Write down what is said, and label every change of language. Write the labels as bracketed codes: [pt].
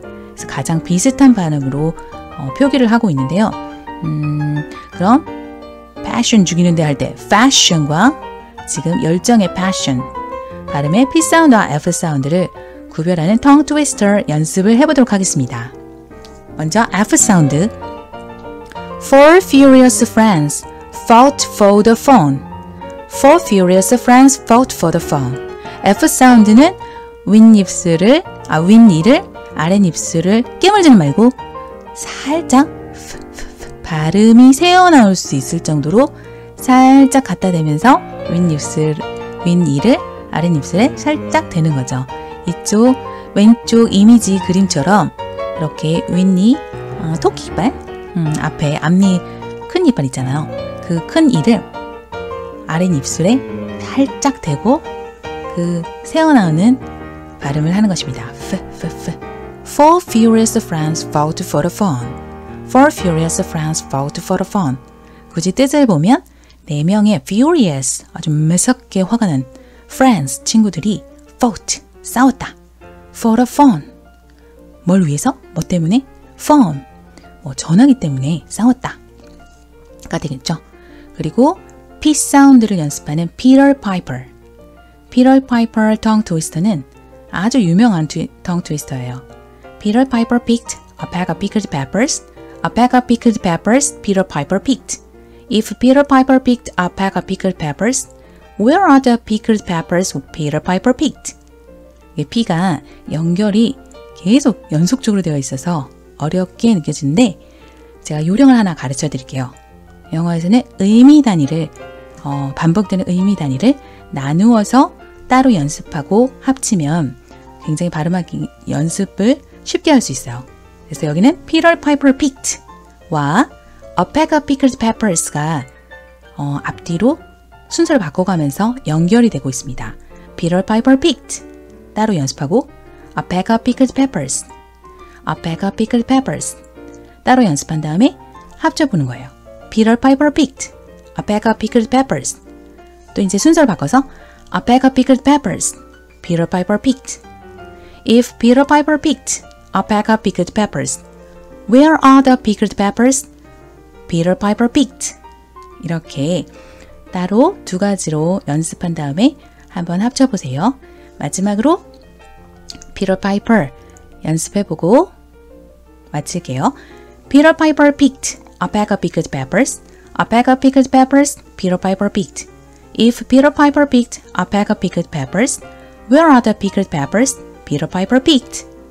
[ko] 그래서 가장 비슷한 발음으로 표기를 하고 있는데요. 그럼 패션 죽이는데 할 때 패션과 지금 열정의 패션 발음의 P 사운드와 F 사운드를 구별하는 tongue twister 연습을 해보도록 하겠습니다. 먼저 F 사운드 [en] Four furious friends fought for the phone. Four Furious Friends Fought for the Fun. [ko] F 사운드는 윗니를 아랫입술을 깨물지 말고 살짝 발음이 새어나올 수 있을 정도로 살짝 갖다 대면서 윗니를 아랫입술에 살짝 대는 거죠. 이쪽 왼쪽 이미지 그림처럼 이렇게 윗니 토끼 이빨 앞에 앞니 큰 이빨 있잖아요. 그 큰 이를 아랫입술에 살짝 대고 그 새어나오는 발음을 하는 것입니다. [en] Four furious friends fought for the fun. Four furious friends fought for the fun. [ko] 굳이 뜻을 보면 네 명의 furious 아주 매섭게 화가 난 friends 친구들이 fought 싸웠다. [en] For the fun. [ko] 뭘 위해서? 뭐 때문에? Fun. 뭐 전화기 때문에 싸웠다. 가 되겠죠. 그리고 P 사운드를 연습하는 Peter Piper. Peter Piper tongue twister는 아주 유명한 tongue twister예요. [en] Peter Piper picked a peck of pickled peppers. A peck of pickled peppers Peter Piper picked. If Peter Piper picked a peck of pickled peppers, where are the pickled peppers Peter Piper picked? [ko] 이 P가 연결이 계속 연속적으로 되어 있어서 어렵게 느껴지는데 제가 요령을 하나 가르쳐 드릴게요. 영어에서는 의미 단위를 반복되는 의미 단위를 나누어서 따로 연습하고 합치면 굉장히 발음하기 연습을 쉽게 할 수 있어요. 그래서 여기는 Peter Piper picked와 A peck of pickled peppers가 앞뒤로 순서를 바꿔가면서 연결이 되고 있습니다. [en] Peter Piper picked 따로 연습하고 A peck of pickled peppers [ko] A peck of pickled peppers 따로 연습한 다음에 합쳐보는 거예요. [en] Peter Piper picked A peck of pickled peppers 또 이제 순서를 바꿔서 A peck of pickled peppers Peter Piper picked If Peter Piper picked A peck of pickled peppers Where are the pickled peppers? [ko] Peter Piper picked 이렇게 따로 두 가지로 연습한 다음에 한번 합쳐보세요. 마지막으로 Peter Piper 연습해보고 마칠게요. [en] Peter Piper picked a peck of pickled peppers A peck of pickled peppers Peter Piper picked If Peter Piper picked a peck of pickled peppers Where are the pickled peppers? Peter Piper picked